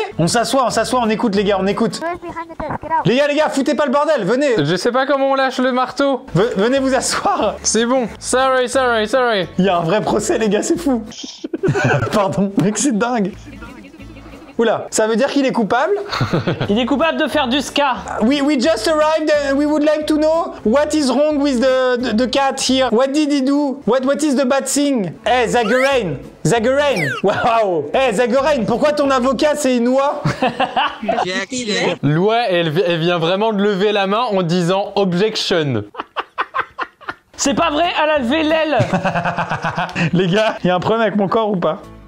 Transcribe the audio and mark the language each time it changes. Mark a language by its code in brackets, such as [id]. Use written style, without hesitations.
[fr] On s'assoit, on écoute les gars, on écoute. Les gars, foutez pas le bordel, venez. Je sais pas comment on lâche le marteau. Venez vous asseoir. C'est bon. Sorry. Il y a un vrai procès, les gars, c'est fou. Pardon, mec, c'est dingue. Oula, ça veut dire qu'il est coupable? Il est coupable de faire du ska. [en] We just arrived and we would like to know what is wrong with the cat here. What did he do? What is the bad thing? Hey, Zagarain. Zagarain. Wow. [fr] Hey, Zagarain, pourquoi ton avocat, c'est une oie? L'oie, elle vient vraiment de lever la main en disant objection. C'est pas vrai, elle a levé l'aile. Les gars, il y a un problème avec mon corps ou pas?